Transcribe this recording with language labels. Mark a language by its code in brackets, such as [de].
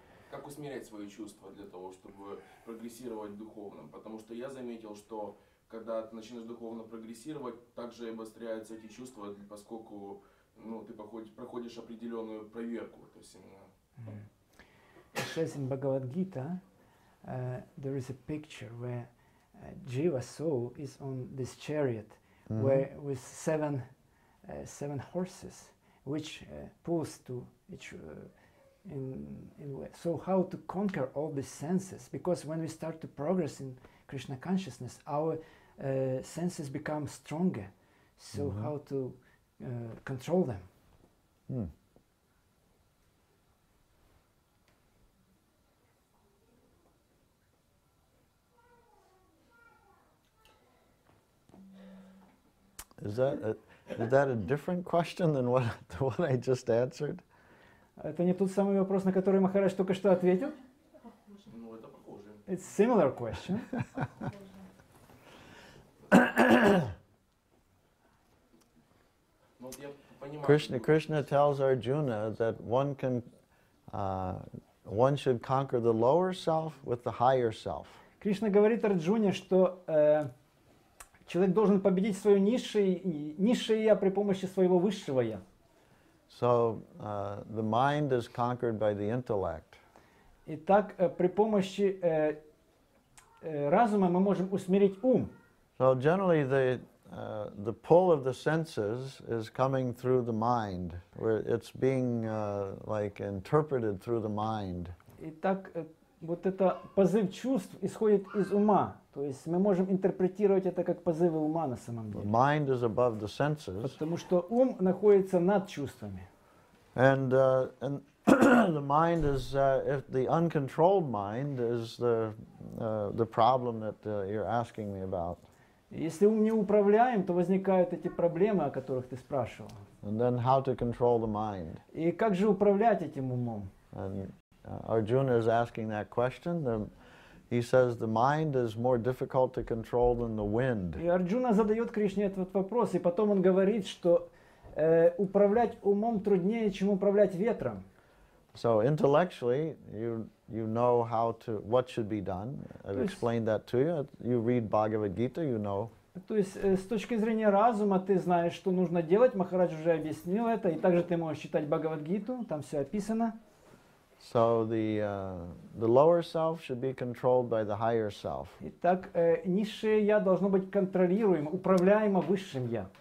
[ru] Как усмирять свои чувства для того, чтобы прогрессировать духовно? Потому что я заметил, что когда ты начинаешь духовно прогрессировать, также обостряются эти чувства, поскольку ну, ты проходишь определенную проверку, то есть именно. [en] It says in Bhagavad Gita, there is a picture where Jiva soul is on this chariot, mm-hmm. where with seven horses, which pulls to each in way. So how to conquer all these senses? Because when we start to progress in Krishna consciousness, our senses become stronger. So mm-hmm. how to control them? Mm. Is that a different question than what I just answered? [ru] Это не тот самый вопрос, на который Махарадж только что ответил? Ну, это похоже. [en] It's similar question. Krishna tells Arjuna that one can one should conquer the lower self with the higher self. [ru] Кришна говорит Арджуне, что человек должен победить свое низшее я при помощи своего высшего я. [en] So the mind is conquered by the intellect. [ru] Итак, при помощи разума мы можем усмирить ум. [en] So generally the pull of the senses is coming through the mind, where it's being like interpreted through the mind. [ru] Итак, вот это позыв чувств исходит из ума. То есть мы можем интерпретировать это как позывы ума на самом деле. [en] Mind is above the senses. [ru] Потому что ум находится над чувствами. [en] And the mind is if the uncontrolled mind is the problem that you're asking me about. [ru] Если ум не управляем, то возникают эти проблемы, о которых ты спрашивал. [en] And then how to control the mind? [ru] И как же управлять этим умом? [en] And Arjuna is asking that question. He says the mind is more difficult to control than the wind. [ru] И Арджуна задает Кришне этот вопрос, и потом он говорит, что управлять умом труднее, чем управлять ветром. [en] So intellectually, you know how to what should be done. I've explained that to you. You read Bhagavad Gita, you know. [ru] То есть с точки зрения разума ты знаешь, что нужно делать. Махарадж уже объяснил это, и также ты можешь читать Бхагавад Гиту, там все описано. [en] So the lower self should be controlled by the higher self. [ru] Итак, низшее я должно быть контролируемо, управляемо высшим я.